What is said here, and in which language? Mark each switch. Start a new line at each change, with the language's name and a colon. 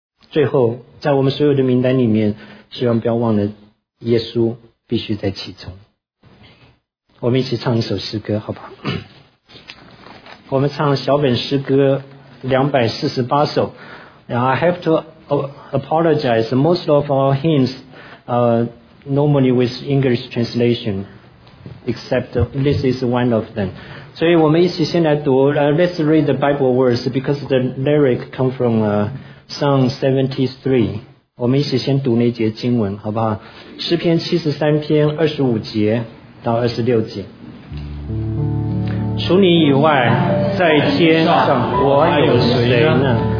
Chinese: 最后，在我们所有的名单里面，希望不要忘了耶稣必须在其中。我们一起唱一首诗歌好不好？我们唱小本诗歌248首。
English: And I have to apologize, most of our hymns normally with English translation, except this is one of them.
Chinese: 所以我们一起先来读
English: let's read the Bible words, because the lyric come from Psalm 73,
Chinese: 我们一起先读那节经文好不好？诗篇73篇25节到26节。除你以外在天上我有谁呢？